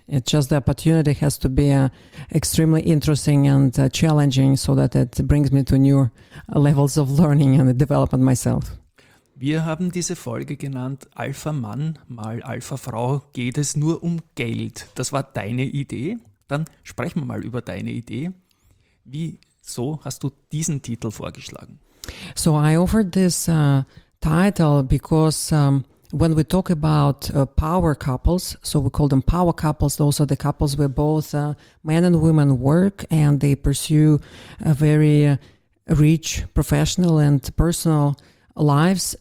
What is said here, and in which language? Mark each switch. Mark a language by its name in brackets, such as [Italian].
[English] It's just the opportunity has to be extremely interesting and challenging, so that it brings me to new levels of learning and development myself. [German] Wir haben diese Folge genannt Alpha Mann mal Alpha Frau. Geht es nur um Geld? Das war deine Idee. Dann sprechen wir mal über deine Idee. Wieso hast du diesen Titel vorgeschlagen? [English] So I offered this title because when we talk about power couples, so we call them power couples, those are the couples where both men and women work and they pursue a very rich professional and personal lives.